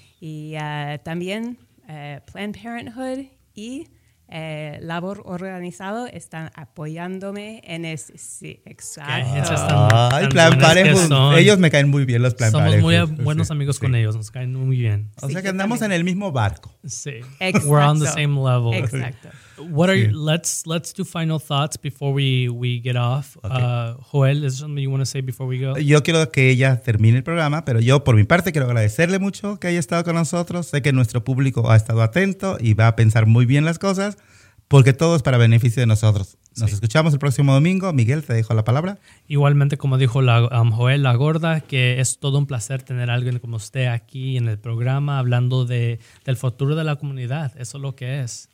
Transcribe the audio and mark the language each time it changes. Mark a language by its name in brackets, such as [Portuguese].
[Spanish] Y también Planned Parenthood y Labor Organizado están apoyándome en ese. Sí, exacto. Ay, Planned Parenthood. Ellos me caen muy bien, los Planned Parenthood. Somos Parenthood. Muy buenos sí. amigos con sí. ellos, nos caen muy bien. O sea que andamos también. En el mismo barco. Sí. Exacto. [English] We're on the same level. [Spanish] Exacto. [English] What are your, let's do final thoughts before we get off. Okay. Joel, is there something you want to say before we go? [Spanish] Yo quiero que ella termine el programa, pero yo por mi parte quiero agradecerle mucho que haya estado con nosotros. Sé que nuestro público ha estado atento y va a pensar muy bien las cosas, porque todo es para beneficio de nosotros. Nos sí. escuchamos el próximo domingo. Miguel, te dejo la palabra. Igualmente, como dijo la, Joel, la gorda, que es todo un placer tener a alguien como usted aquí en el programa hablando de, del futuro de la comunidad. Eso es lo que es.